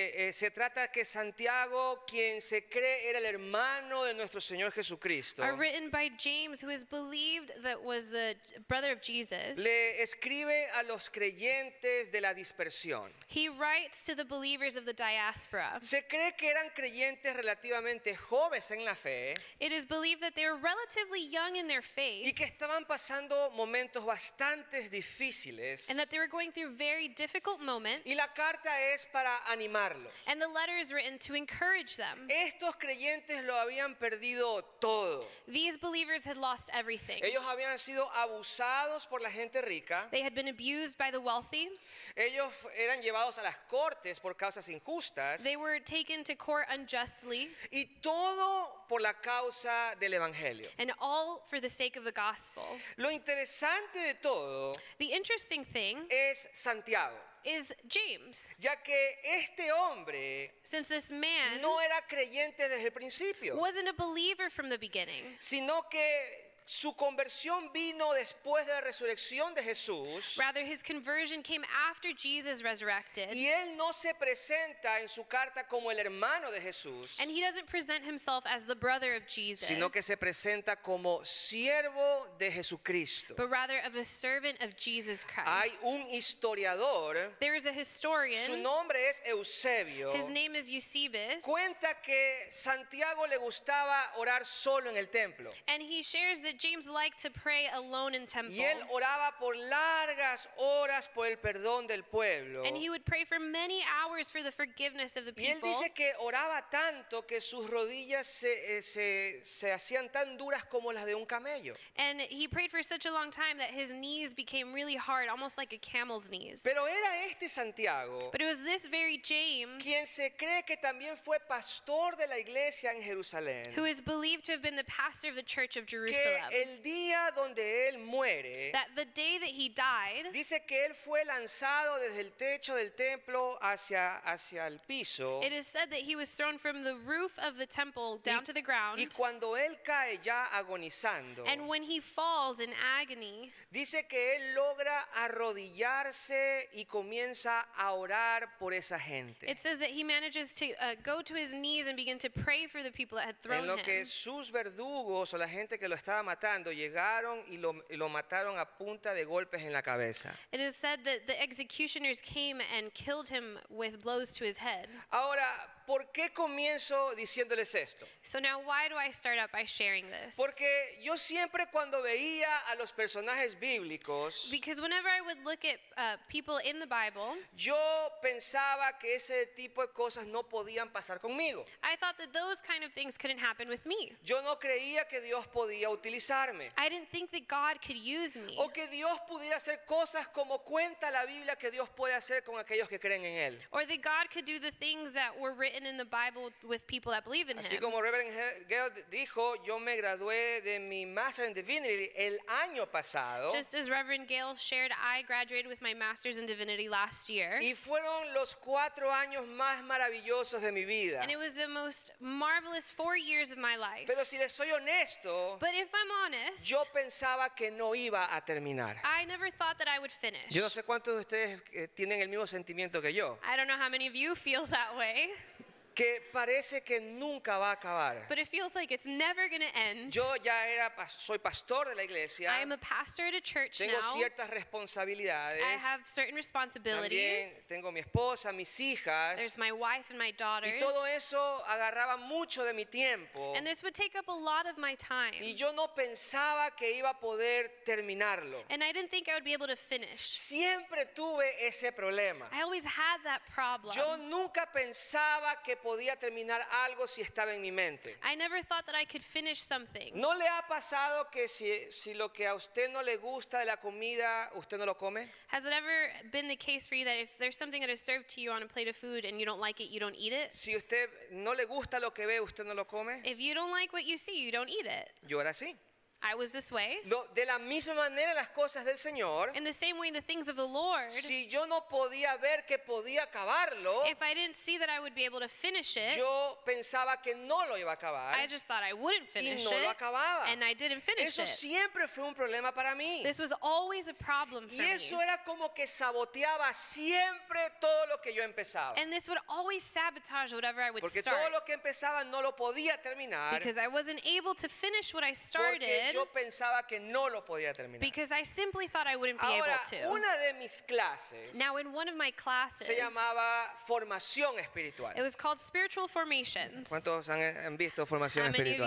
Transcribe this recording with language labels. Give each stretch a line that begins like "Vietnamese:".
Spanish: Se trata que Santiago, quien se cree era el hermano de nuestro Señor Jesucristo.
English: Are written by James, who is believed that was a brother. Of Jesus,
Spanish: le escribe a los creyentes de la dispersión.
English: He writes to the believers of the diaspora.
Spanish: Se cree que eran creyentes relativamente jóvenes en la fe.
English: It is believed that they were relatively young in their faith.
Spanish: Y que estaban pasando momentos bastante difíciles.
English: And that they were going through very difficult moments.
Spanish: Y la carta es para animarlos.
English: And the letter is written to encourage them.
Spanish: Estos creyentes lo habían perdido todo.
English: These believers had lost everything.
Spanish: Ellos habían sido abusados. Por la gente rica.
English: They had been abused by the wealthy.
Spanish: Ellos eran llevados a las cortes por causas injustas.
English: They were taken to court unjustly.
Spanish: Y todo por la causa del evangelio.
English: And all for the sake of the gospel.
Spanish: Lo interesante de todo.
English: The interesting thing
Spanish: es Santiago.
English: Is James.
Spanish: Ya que este hombre,
English: since this man
Spanish: no era creyente desde el principio,
English: wasn't a believer from the beginning,
Spanish: sino que su conversión vino después de la resurrección de Jesús.
English: Rather, his conversion came after Jesus resurrected.
Spanish: Y él no se presenta en su carta como el hermano de Jesús.
English: And he doesn't present himself as the brother of Jesus.
Spanish: Sino que se presenta como siervo de Jesucristo.
English: But rather of a servant of Jesus Christ.
Spanish: Hay un historiador.
English: There is a historian.
Spanish: Su nombre es Eusebio.
English: His name is Eusebius.
Spanish: Cuenta que Santiago le gustaba orar solo en el templo.
English: And he shares that did James like to pray alone in temple?
Spanish: Y él oraba por largas horas por el perdón del pueblo.
English: And he would pray for many hours for the forgiveness of the people.
Spanish: Y él dice que oraba tanto que sus rodillas se hacían tan duras como las de un camello.
English: And he prayed for such a long time that his knees became really hard, almost like a camel's knees.
Spanish: Pero era este Santiago.
English: But it was this very James.
Spanish: Quien se cree que también fue pastor de la iglesia en Jerusalén.
English: Who is believed to have been the pastor of the church of Jerusalem.
Spanish: Que el día donde él muere,
English: that the day that he died,
Spanish: dice que él fue lanzado desde el techo del templo hacia el piso.
English: It is said that he was thrown from the roof of the temple down to the ground.
Spanish: Y cuando él cae ya agonizando,
English: and when he falls in agony,
Spanish: dice que él logra arrodillarse y comienza a orar por esa gente.
English: It says that he manages to go to his knees and begin to pray for the people that had thrown him.
Spanish: En lo que sus verdugos o la gente que lo estaba matando llegaron y lo mataron a punta de golpes en la cabeza.
English: It is said that the executioners came and killed him with blows to his head.
Spanish: Ahora, ¿por qué comienzo diciéndoles esto?
English: So now, why do I start out by sharing this?
Spanish: Porque yo siempre cuando veía a los personajes bíblicos,
English: because whenever I would look at people in the Bible,
Spanish: yo pensaba que ese tipo de cosas no podían pasar conmigo.
English: I thought that those kind of things couldn't happen with me.
Spanish: Yo no creía que Dios podía utilizarme.
English: I didn't think that God could use me.
Spanish: O que Dios pudiera hacer cosas como cuenta la Biblia que Dios puede hacer con aquellos que creen en él.
English: Or that God could do the things that were written in the Bible with people that believe in
Spanish: Así
English: him.
Spanish: Así como Reverend Gale dijo, yo me gradué de mi Master in Divinity el año pasado.
English: Just as Reverend Gale shared, I graduated with my Master's in Divinity last year.
Spanish: Y fueron los 4 años más maravillosos de mi vida.
English: And it was the most marvelous 4 years of my life.
Spanish: Pero si les soy honesto,
English: but if I'm honest,
Spanish: yo pensaba que no iba a terminar.
English: I never thought that I would finish.
Spanish: Yo no sé cuántos de ustedes tienen el mismo sentimiento que yo.
English: I don't know how many of you feel that way.
Spanish: Que parece que nunca va a acabar.
English: But it feels like it's never going to end.
Spanish: Yo ya era, soy pastor de la iglesia.
English: I am a pastor at a church
Spanish: tengo
English: now.
Spanish: Ciertas responsabilidades.
English: I have certain responsibilities.
Spanish: También tengo mi esposa, mis hijas.
English: There's my wife and my daughters.
Spanish: Y todo eso agarraba mucho de mi tiempo.
English: And this would take up a lot of my time.
Spanish: Y yo no pensaba que iba a poder terminarlo.
English: And I didn't think I would be able to finish.
Spanish: Siempre tuve ese problema.
English: I always had that problem.
Spanish: Yo nunca pensaba que podía terminar algo si estaba en mi mente.
English: I never thought that I could finish something.
Spanish: ¿No le ha pasado que si lo que a usted no le gusta de la comida, usted no lo come?
English: Has it ever been the case for you that if there's something that is served to you on a plate of food and you don't like it, you don't eat it?
Spanish: Si usted no le gusta lo que ve, usted no lo come.
English: If you don't like what you see, you don't eat it.
Spanish: Yo era así.
English: I was this way.
Spanish: De la misma manera las cosas del Señor.
English: In the same way the things of the Lord.
Spanish: Si yo no podía ver que podía acabarlo.
English: If I didn't see that I would be able to finish it.
Spanish: Yo pensaba que no lo iba a acabar.
English: I just thought I wouldn't finish it.
Spanish: Y no
English: it,
Spanish: lo acababa.
English: And I didn't finish
Spanish: eso
English: it.
Spanish: Eso siempre fue un problema para mí.
English: This was always a problem for me.
Spanish: Y eso
English: me.
Spanish: Era como que saboteaba siempre todo lo que yo empezaba.
English: And this would always sabotage whatever I would
Spanish: Porque
English: start.
Spanish: Porque todo lo que empezaba no lo podía terminar.
English: Because I wasn't able to finish what I started.
Spanish: Yo pensaba que no lo podía terminar.
English: Because I simply thought I wouldn't
Spanish: Ahora,
English: be able to.
Spanish: Ahora, una de mis clases.
English: Now, in one of my classes.
Spanish: Se llamaba formación espiritual.
English: It was called spiritual formations.
Spanish: ¿Cuántos han visto formación espiritual?